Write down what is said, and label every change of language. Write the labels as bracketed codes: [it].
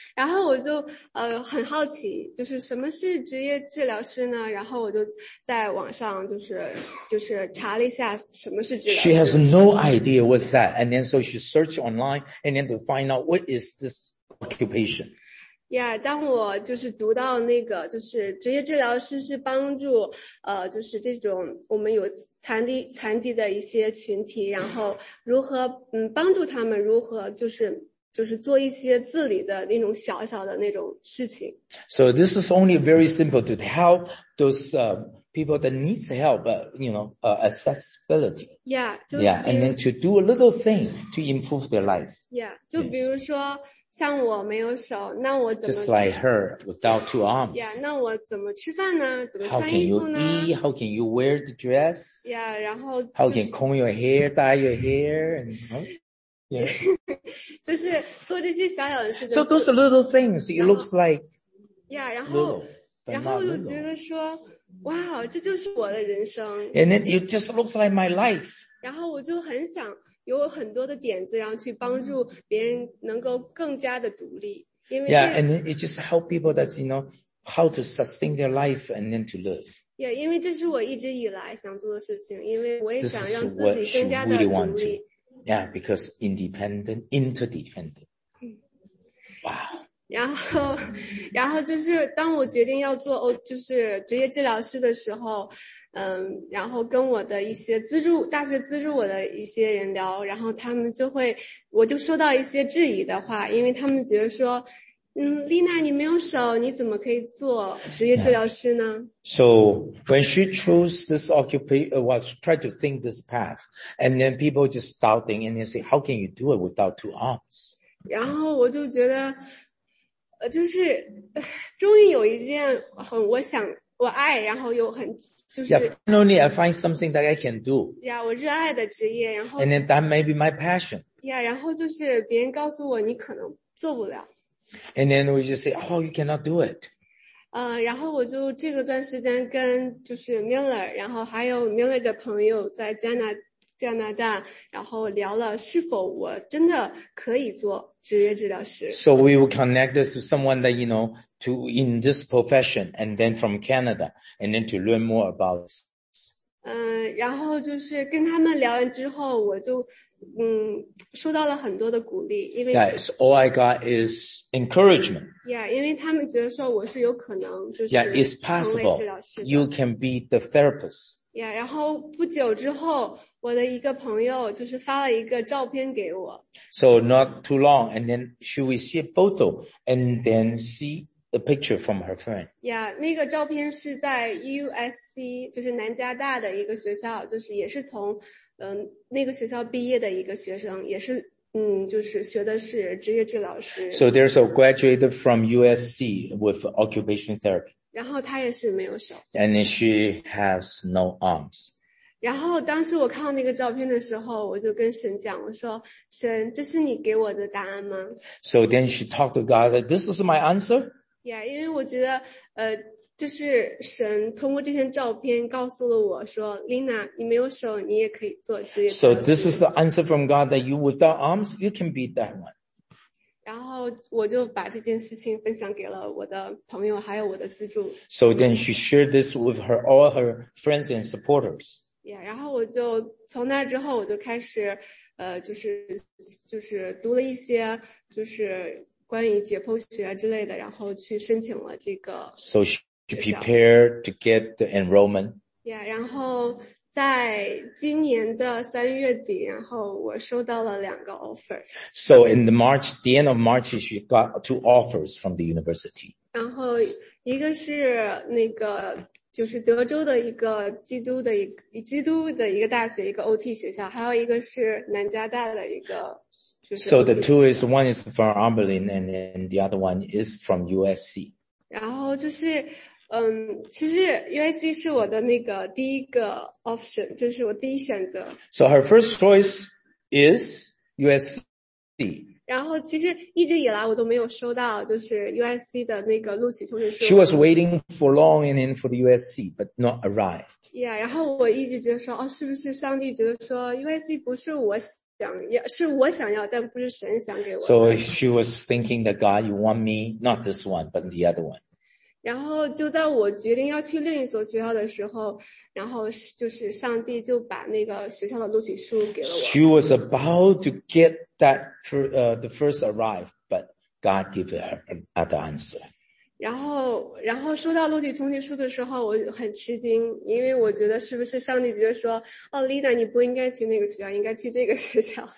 [zh] 然后我就很好奇，就是什么是职业治疗师呢？然后我就在网上就是查了一下什么是治疗师。 [en] She has no idea what's that, and then so she searched online and then to find out what is this occupation. [zh] Yeah, 当我就是读到那个就是职业治疗师是帮助就是这种我们有残疾的一些群体，然后如何帮助他们如何就是做一些自理的那种小小的那种事情。 [en] So this is only very simple to help those people that needs help, you know, accessibility. Yeah, and then to do a little thing to improve their life. [zh] Yeah, 就比如说、yes. 像我没有手，那我怎么 [en] ？Just like her without two arms. [zh] Yeah, 那我怎么吃饭呢？怎么穿衣服呢 [en] ？How can you eat? How can you wear the dress? [zh] Yeah, 然后、就是、 [en] How can comb your hair, dye your hair, and、huh? yeah. [zh] 就是做这些小小的事情。 [en] So those are little things. It looks like [zh] yeah, 然后我就觉得说，哇，这就是我的人生。 [en] And then it just looks like my life. [zh] 然后我就很想。有很多的点子，然后去帮助别人能够更加的独立。 [en] Yeah, and it just help people that you know how to sustain their life and then to live. [zh] Yeah, 因为这是我一直以来想做的事情，因为我也想让自己更加的独立。 [en] Really want to. Yeah, because independent, interdependent. Wow. [zh] 然后就是当我决定要做就是职业治疗师的时候，然后跟我的一些大学资助我的一些人聊，然后他们就会，我就收到一些质疑的话，因为他们觉得说，丽娜你没有手，你怎么可以做职业治疗师呢、 [en] yeah. So, when she chose this occupation, was try to think this path, and then people just doubting, and they say, how can you do it without two arms? [zh] 然后我就觉得就是终于有一件很我想我爱然后又很就是 [en] yeah, finally I find something that I can do. [zh] Yeah, 我热爱的职业然后 [en] And then that may be my passion. [zh] Yeah, 然后就是别人告诉我你可能做不了。 [en] And then we just say, oh, you cannot do it. [zh] 然后我就这个段时间跟就是 Miller, 然后还有 Miller 的朋友在加拿大然后聊了是否我真的可以做职业治疗师。 [en] So we will connect this to someone that you know to in this profession and then from Canada and then to learn more about this. [zh] 然后就是跟他们聊完之后我就受到了很多的鼓励，因为 [en] Guys, all I got is encouragement. [zh] Yeah, 因为他们觉得说我是有可能就是成为治疗师的。 [en] Yeah, it's possible. You can be the therapist. [zh] Yeah, 然后不久之后我的一个朋友就是发了一个照片给我。 [en] So not too long, and then she will see a photo, and then see a picture from her friend. [zh] Yeah, 那个照片是在 USC, 就是南加大的一个学校，就是也是从那个学校毕业的一个学生，也是就是学的是职业治疗师。 [en] So there's a graduate from USC with occupational therapy. [zh] 然后他也是没有手。 [en] And then she has no arms. [zh] 然后当时我看到那个照片的时候，我就跟神讲，我说：“神，这是你给我的答案吗？” [en] So then she talked to God. This is my answer. [zh] Yeah, 因为我觉得，就是神通过这些照片告诉了我说 ，Lina， 你没有手，你也可以做职业。 [en] So this is the answer from God that you without arms, you can be that one. [zh] 然后我就把这件事情分享给了我的朋友，还有我的资助。 [en] So then she shared this with her all her friends and supporters. [zh] Yeah, 然后我就从那之后我就开始就是读了一些就是关于解剖学之类的，然后去申请了这个。 [en] So she prepared to get the enrollment. [zh] Yeah, 然后在今年的三月底，然后我收到了两个 offer. [en] So in the March, the end of March, she got two offers from the university. [zh] 然后一个是那个就是德州的一个基督的一个大学，一个 OT 学校，还有一个是南加大的一个，就是。 [en] So the two is one is from Abilene and then the other one is from USC. [zh] 然后就是，其实 USC 是我的那个第一个 option， 就是我第一选择。 [en] So her first choice is USC. [zh] 然后其实一直以来我都没有收到就是 USC 的那个录取通知书。 [en] She was waiting for long and in for the USC, but not arrived. [zh] Yeah, 然后我一直觉得说哦，是不是上帝觉得说 USC 不是我想要，是我想要，但不是神想给我的。 [en] So she was thinking that God, you want me, not this one, but the other one. [zh] 然后就在我决定要去另一所学校的时候，然后就是上帝就把那个学校的录取书给了我。 [en] She was about to get that for, the first arrived, but God gave her another answer. [zh] 然后收到录取通知书的时候，我很吃惊，因为我觉得是不是上帝觉得说，哦 ，Lina， 你不应该去那个学校，应该去这个学校。